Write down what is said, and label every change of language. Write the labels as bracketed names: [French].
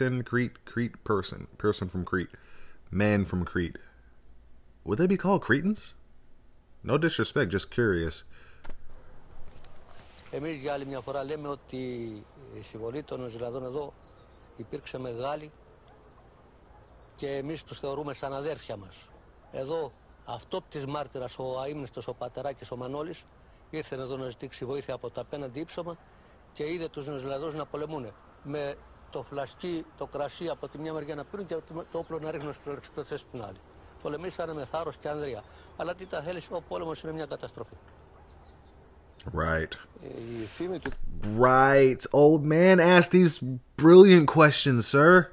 [English] Cretan, person from Crete. Man from Crete. Would they be called Cretans? No disrespect, just curious. [Greek] Εμείς για άλλη μια φορά λέμε ότι η συμβολή των Νεοζηλανδών εδώ υπήρξε μεγάλη και εμείς τους θεωρούμε σαν αδέρφια μας. Εδώ αυτόπτης μάρτυρας ο αείμνηστος ο Πατεράκης ο Μανώλης ήρθε εδώ να ζητήσει βοήθεια από τα απέναντι ύψωμα και είδε τους Νεοζηλανδούς να πολεμούν με το φλασκί, το κρασί από τη μια μεριά να πίνουν και το όπλο να ρίχνουν στο εξωτερικό στην άλλη. Πολεμήσανε με θάρρος και ανδρεία. Αλλά τι τα θέλεις, ο πόλεμος είναι μια καταστροφή. [English] Right. Old man asked these brilliant questions, sir.